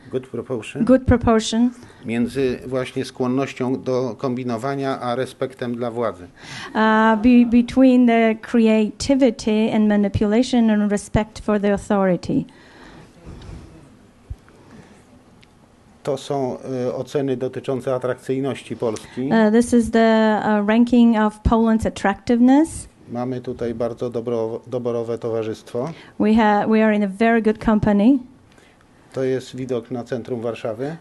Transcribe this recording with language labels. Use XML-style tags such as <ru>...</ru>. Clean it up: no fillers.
<en>Good proportion. Good proportion.</en> <pl>Między właśnie skłonnością do kombinowania a respektem dla władzy.</pl> <en>Between the creativity and manipulation and respect for the authority.</en> <pl>To są oceny dotyczące atrakcyjności Polski.</pl> <en>This is the ranking of Poland's attractiveness.</en> <pl>Mamy tutaj bardzo doborowe towarzystwo.</pl> <en>We are in a very good company.</en> <pl>To jest widok na centrum Warszawy.</pl>